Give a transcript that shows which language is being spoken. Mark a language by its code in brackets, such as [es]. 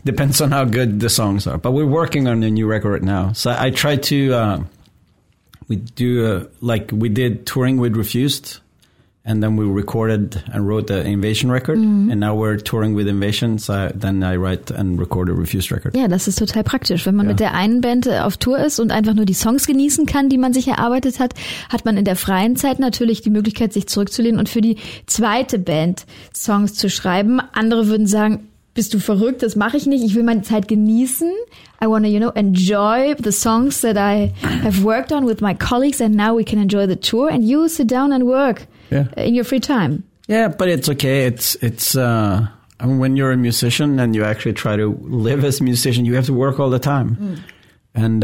[en] Depends on how good the songs are. But we're working on a new record right now. So I try to... We did touring with Refused, and then we recorded and wrote the Invasion record, and now we're touring with Invasion, so then I write and record a Refused record. [de] Ja, das ist total praktisch. Wenn man mit der einen Band auf Tour ist und einfach nur die Songs genießen kann, die man sich erarbeitet hat, hat man in der freien Zeit natürlich die Möglichkeit, sich zurückzulehnen und für die zweite Band Songs zu schreiben. Andere würden sagen, bist du verrückt? Das mache ich nicht. Ich will meine Zeit genießen. [en] I want to, you know, enjoy the songs that I have worked on with my colleagues, and now we can enjoy the tour. And you sit down and work in your free time. Yeah, but it's okay. I mean, when you're a musician and you actually try to live as a musician, you have to work all the time. Mm.